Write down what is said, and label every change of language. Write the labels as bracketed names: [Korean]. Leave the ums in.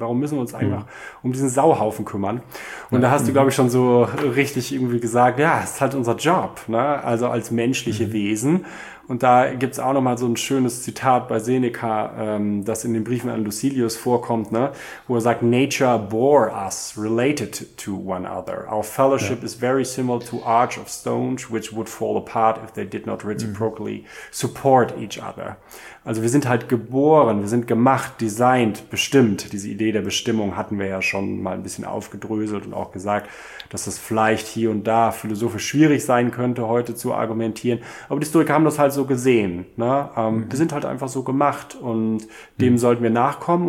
[German] Warum müssen wir uns einfach mhm. um diesen Sauhaufen kümmern? Und da hast du, glaube ich, schon so richtig irgendwie gesagt, ja, ist halt unser Job, ne? Also als Mensch menschliche mhm. Wesen. Und da gibt es auch nochmal so ein schönes Zitat bei Seneca, ähm, das in den Briefen an Lucilius vorkommt, ne? wo er sagt, [English] Nature bore us related to one another. Our fellowship ja. is very similar to arch of stones, which would fall apart if they did not reciprocally mhm. support each other. [German] Also wir sind halt geboren, wir sind gemacht, designt, bestimmt. Diese Idee der Bestimmung hatten wir ja schon mal ein bisschen aufgedröselt und auch gesagt, dass das vielleicht hier und da philosophisch schwierig sein könnte, heute zu argumentieren. Aber die Historiker haben das halt so gesehen. Ne? Ähm, mhm. Wir sind halt einfach so gemacht und dem mhm. sollten wir nachkommen.